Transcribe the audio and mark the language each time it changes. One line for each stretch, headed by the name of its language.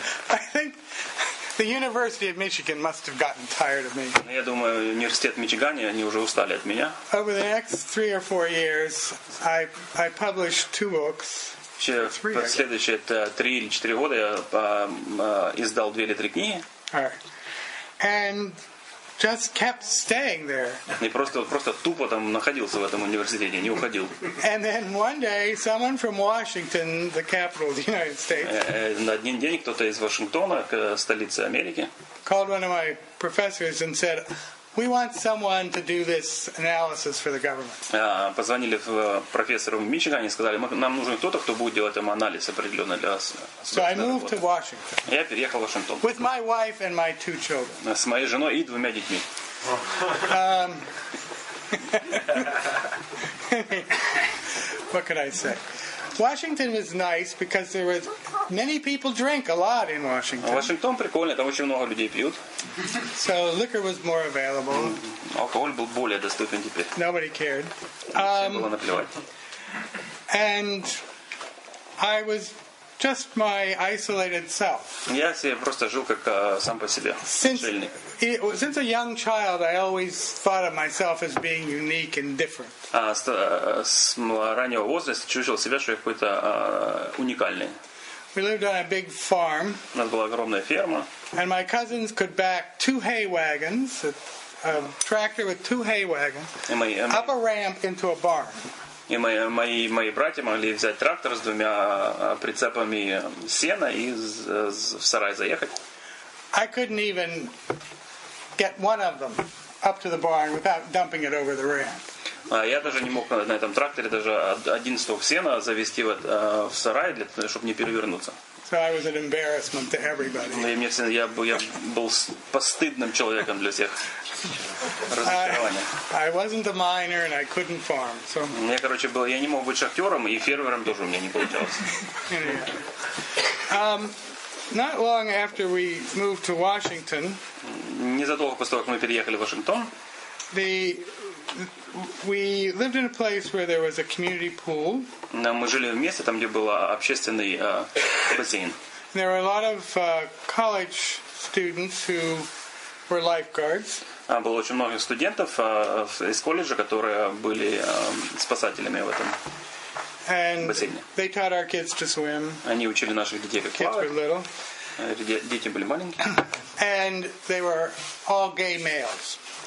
English: I think the University of Michigan must have gotten tired of me.
Russian: Я думаю, университет Мичигана, они уже устали от меня.
English: Over the next 3 or 4 years, I published 2 books.
Russian: В следующие 3 или 4 года я издал 2 или 3 книги.
English: And just kept staying there.
Russian: И просто тупо там находился в этом университете, не уходил.
English: And then one day, someone from Washington, the capital of the United States.
Russian: На один день кто-то из Вашингтона, столицы Америки.
English: Called one of my professors and said, "We want someone to do this analysis for the government."
Russian: Позвонили профессору в Мичигане и сказали, нам нужен кто-то, кто будет делать там анализ определенно для вас.
English: So I moved to Washington.
Russian: Я переехал в Вашингтон.
English: With my wife and my 2 children.
Russian: С моей женой и 2 детьми.
English: What could I say? Washington was nice because there was many people drink a lot in Washington.
Russian: Вашингтон прикольный, там очень много людей пьют.
English: So liquor was more available.
Russian: Алкоголь был более доступен теперь.
English: Nobody cared.
Russian: Всем было наплевать.
English: And I was just my isolated self.
Russian: Я себе просто жил как сам по себе.
English: Since a young child, I always thought of myself as being unique and different.
Russian: С раннего возраста чувствовал себя, что я какой-то уникальный.
English: We lived on a big farm.
Russian: У нас была огромная ферма.
English: And my cousins could back 2 hay wagons, a tractor with 2 hay wagons, up a ramp into a barn.
Russian: И мои братья могли взять трактор с 2 прицепами сена и в сарай заехать.
English: I couldn't even get one of them up to the barn without dumping it over the ramp.
Russian: Я даже не мог на этом тракторе даже 1 стог сена завести в сарай, чтобы не перевернуться.
English: So I was an embarrassment to everybody.
Russian: Я был постыдным человеком для всех. Разочарование.
English: I wasn't a miner and I couldn't farm. So.
Russian: Я не мог быть шахтером, и фермером тоже у меня не получалось.
English: Not long after we moved to Washington.
Russian: Незадолго после того, как мы переехали в Вашингтон.
English: We lived in a place where there was a community pool.
Russian: Мы жили в месте, там где был общественный бассейн.
English: There were a lot of college students who were lifeguards.
Russian: Было очень много студентов из колледжа, которые были спасателями в этом бассейне.
English: And they taught our kids to swim.
Russian: Они учили наших детей как плавать.
English: Kids were little.
Russian: Дети были маленькие.
English: And they were all gay males.